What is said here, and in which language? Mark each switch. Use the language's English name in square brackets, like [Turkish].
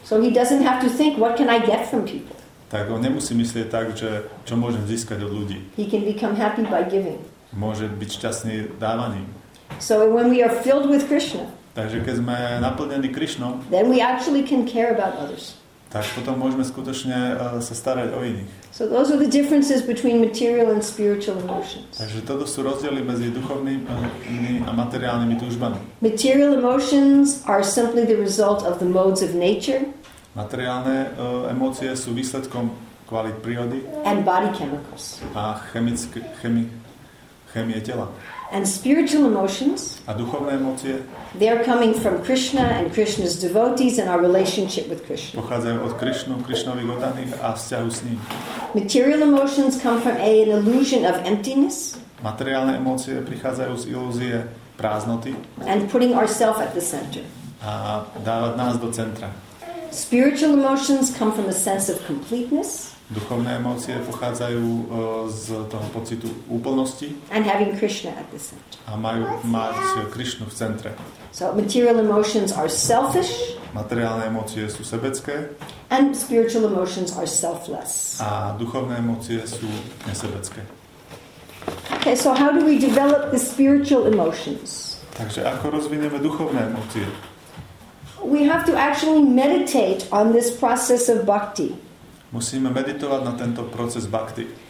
[English] So he doesn't have to think, what can I get from people? [Slovak] Tak on nemusí myslieť tak, že čo môžem získať od ľudí. [English] He can become happy by giving. [Slovak] Môže byť šťastný dávaním. [English] So when we are filled with Krishna, [Slovak] takže keď sme naplnení Krishnou, [English] then we actually can care about others. [Slovak] tak potom môžeme skutočne sa starať o iných. [English] So those are the differences between material and spiritual emotions. [Slovak] Takže toto sú rozdiely medzi duchovnými a materiálnymi túžbami. [English] Material emotions are simply the result of the modes of nature. [Slovak] Materiálne emócie sú výsledkom kvalit prírody. [English] And body chemicals. [Slovak] A chemie tela. [English] And spiritual emotions. [Slovak] A duchovné emócie. [English] They are coming from Krishna and Krishna's devotees and our relationship with Krishna. [Slovak] Pochádzajú od Krishnu, Krishnových oddaných a vzťahu s ním. [English] Material emotions come from an illusion of emptiness. [Slovak] Materiálne emócie prichádzajú z ilúzie prázdnoty. [English] And putting ourselves at the center. [Slovak] A dávať nás do centra. [English] Spiritual emotions come from a sense of completeness. [Slovak] Duchovné emócie pochádzajú z toho pocitu úplnosti. [English] And having Krishna at the center. [Slovak] A majú mať Krishnu v centre. [English] So material emotions are selfish. [Slovak] Materiálne emócie sú sebecké. [English] And spiritual emotions are selfless. [Slovak] A duchovné emócie sú nesebecké. [English] Okay, so how do we develop the spiritual emotions? [Slovak] Takže ako rozvineme duchovné emócie? [English] We have to actually meditate on this process of bhakti. [Slovak] Musíme meditovať na tento proces bhakti.